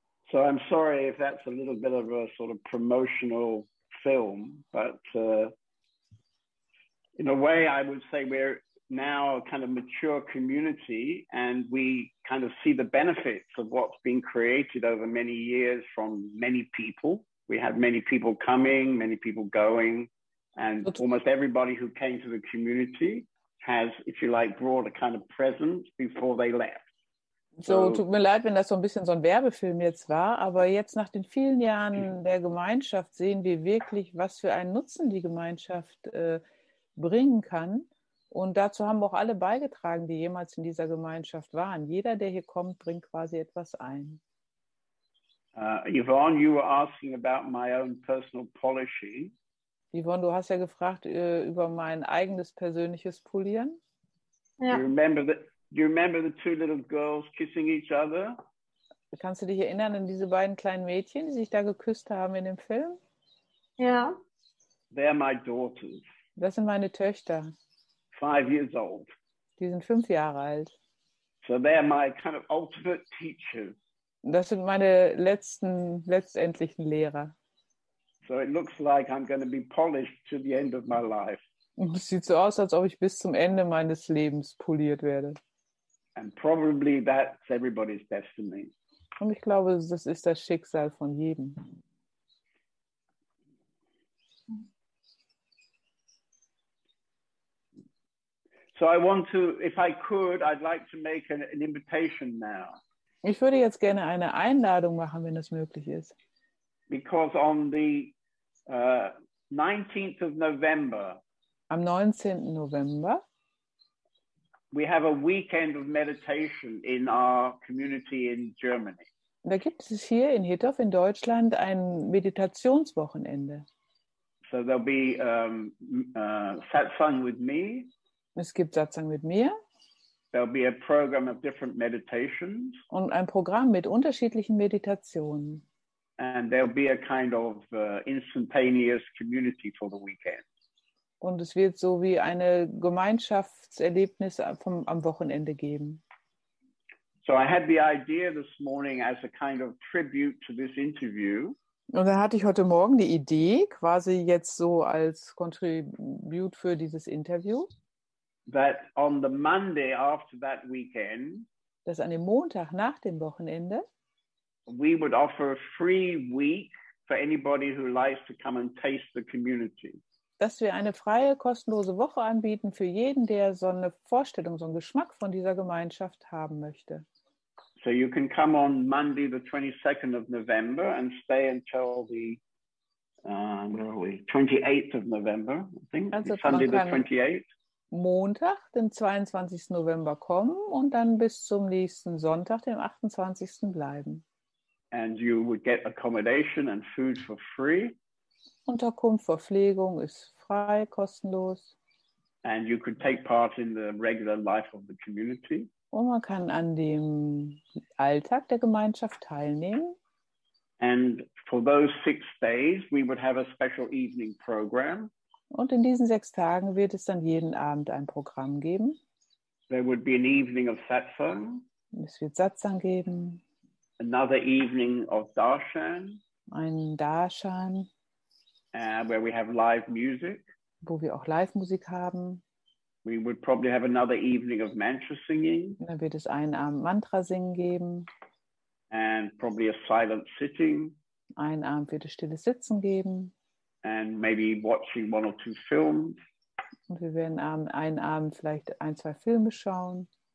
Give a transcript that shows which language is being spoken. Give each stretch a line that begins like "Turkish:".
English: So I'm sorry if that's a little bit of a sort of promotional film, but in a way I would say we're now a kind of mature community and we kind of see the benefits of what's been created over many years from many people. We had many people coming, many people going, and almost everybody who came to the community has, if you like, brought a kind of presence before they left.
German: So tut mir leid, wenn das so ein bisschen so ein Werbefilm jetzt war, aber jetzt nach den vielen Jahren der Gemeinschaft sehen wir wirklich, was für einen Nutzen die Gemeinschaft bringen kann. Und dazu haben wir auch alle beigetragen, die jemals in dieser Gemeinschaft waren. Jeder, der hier kommt, bringt quasi etwas ein.
English: Yvonne, you were asking about my own personal polishing.
German: Yvonne, du hast ja gefragt über mein eigenes persönliches Polieren. Ja.
English: Do you remember the two little girls kissing each other?
German: Kannst du dich erinnern an diese beiden kleinen Mädchen, die sich da geküsst haben in dem Film? Ja.
English: They are my daughters.
German: Das sind meine Töchter.
English: 5 years old.
German: Die sind 5 Jahre alt.
English: So they're my kind of ultimate teachers.
German: Das sind meine letztendlichen Lehrer.
English: So it looks like I'm going to be polished to the end of my life.
German: Es sieht so aus, als ob ich bis zum Ende meines Lebens poliert werde.
English: And probably that's everybody's destiny.
German: Und ich glaube, das ist das Schicksal von jedem.
English: So I want to, if I could, I'd like to make an invitation now.
German: Ich würde jetzt gerne eine Einladung machen, wenn es möglich ist.
English: Because on the 19th of November.
German: Am 19. November.
English: We have a weekend of meditation in our community in Germany.
German: Da gibt es hier in Hittorf in Deutschland ein Meditationswochenende.
English: So there'll be satsang with me.
German: Es gibt Satsang mit mir.
English: There'll be a program of different meditations.
German: Und ein Programm mit unterschiedlichen Meditationen.
English: And there'll be a kind of instantaneous community for the weekend.
German: Und es wird so wie eine Gemeinschaftserlebnis am Wochenende geben.
English: So I had the idea this morning as a kind of tribute to this interview.
German: Und dann hatte ich heute Morgen die Idee, quasi jetzt so als Contribute für dieses Interview.
English: That on the Monday after that weekend,
German: dass an dem Montag nach dem Wochenende,
English: we would offer a free week for anybody who likes to come and taste the community.
German: Dass wir eine freie, kostenlose Woche anbieten für jeden, der so eine Vorstellung, so einen Geschmack von dieser Gemeinschaft haben möchte.
English: So you can come on Monday, the 22nd of November, and stay until the 28th of November, I think.
German: Also,
English: Sunday, the
German: 28th. Montag, den 22. November kommen und dann bis zum nächsten Sonntag, dem 28. bleiben.
English: And you would get accommodation and food for free.
German: Unterkunft, Verpflegung ist frei, kostenlos.
English: And you could take part in the regular life of the community.
German: Und man kann an dem Alltag der Gemeinschaft teilnehmen.
English: And for those 6 days, we would have a special evening program.
German: Und in diesen 6 Tagen wird es dann jeden Abend ein Programm geben.
English: There would be an evening of satsang.
German: Es wird Satsang geben.
English: Another evening of darshan.
German: Ein Darshan.
English: Where we have live music.
German: Wo wir auch Live-Musik haben.
English: We would probably have another evening of mantra singing.
German: Dann wird es einen Abend Mantra singen geben.
English: And probably a silent sitting.
German: Einen Abend wird es stilles Sitzen geben.
English: And maybe watching one or two films.
German: Und wir werden einen Abend vielleicht 1-2 Filme schauen.